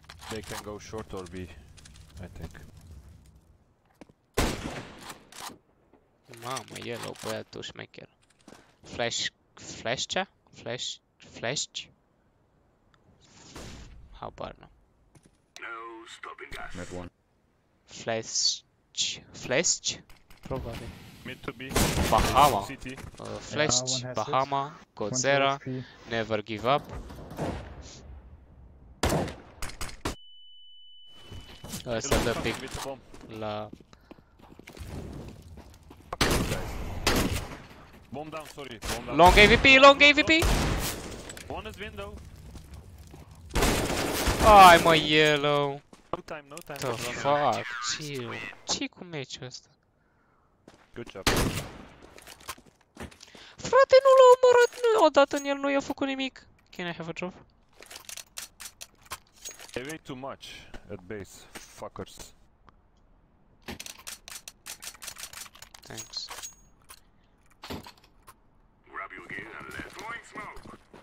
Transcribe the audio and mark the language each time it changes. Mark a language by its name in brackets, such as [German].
[English] They can go short or B, I think. [Romanian] Mamă, yellow, băiatul șmecher. Flash... Flash ce? Flash... Flash? Habar nu. [English] Med 1. [Romanian] Flash... Flash? Probabil. [English] Mid to B. Bahama. Flash, Bahama, Godzera, Never Give Up. [Romanian] Asta dă pic la... [English] Bomb down, sorry. Long AVP, long AVP! One is window. [Romanian] Ai, mă, yellow! [English] No time, no time. The fuck? Chill. [Romanian] Ce-i cu match-ul ăsta? [English] Good job. [Romanian] Frate, nu l-a omorât odată în el, nu i-a făcut nimic. [English] Can I have a drop? They wait too much at base, fuckers. Thanks. Grab your gear and let's go in smoke.